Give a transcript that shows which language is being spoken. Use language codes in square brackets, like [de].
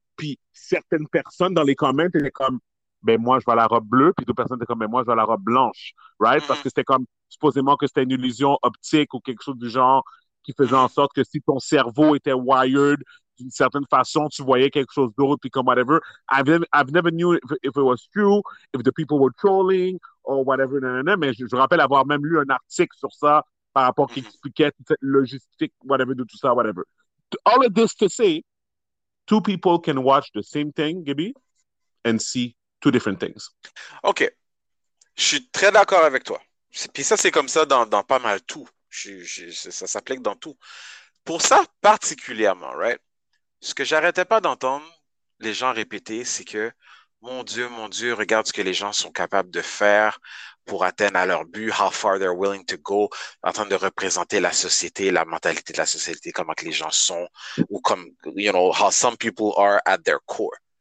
[fr] Puis certaines personnes dans les comments étaient comme, ben moi, je vois la robe bleue, puis d'autres personnes étaient comme, ben moi, je vois la robe blanche, right? Parce que c'était comme, supposément que c'était une illusion optique ou quelque chose du genre qui faisait en sorte que si ton cerveau était wired d'une certaine façon, tu voyais quelque chose d'autre, puis comme, whatever. [en] I've never knew if it was true, if the people were trolling. [fr] Or whatever, nanana, mais je rappelle avoir même lu un article sur ça par rapport qui expliquait toute cette logistique, whatever, de tout ça, whatever. [en] All of this to say, two people can watch the same thing, Gibby, and see two different things. [fr] OK. Je suis très d'accord avec toi. Puis ça, c'est comme ça dans pas mal tout. Ça s'applique dans tout. Pour ça particulièrement, right? Ce que j'arrêtais pas d'entendre les gens répéter, c'est que, mon Dieu, regarde ce que les gens sont capables de faire pour atteindre à leur but, [en] how far they're willing to go, [fr] en train de représenter la société, la mentalité de la société, comment que les gens sont, ou comme, [en] how some people are at their core.